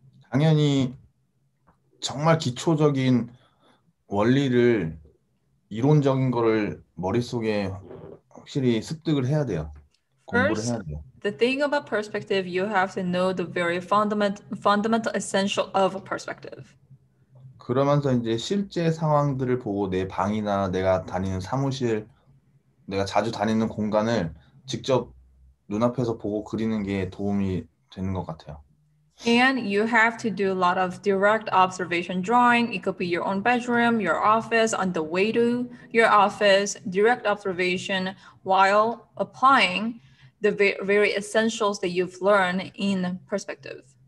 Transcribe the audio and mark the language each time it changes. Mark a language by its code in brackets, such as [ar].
[ko] 당연히 정말 기초적인 원리를 이론적인 거를 머릿속에 확실히 습득을 해야 돼요. 공부를 해야 돼요. [en] The thing about perspective, you have to know the very fundamental essential of a perspective. [ko] 그러면서 이제 실제 상황들을 보고 내 방이나 내가 다니는 사무실, 내가 자주 다니는 공간을 직접 눈앞에서 보고 그리는 게 도움이 되는 것 같아요. [en] And you have to do a lot of direct observation drawing. It could be your own bedroom, your office, on the way to your office, direct observation while applying the very essentials that you've learned in perspective.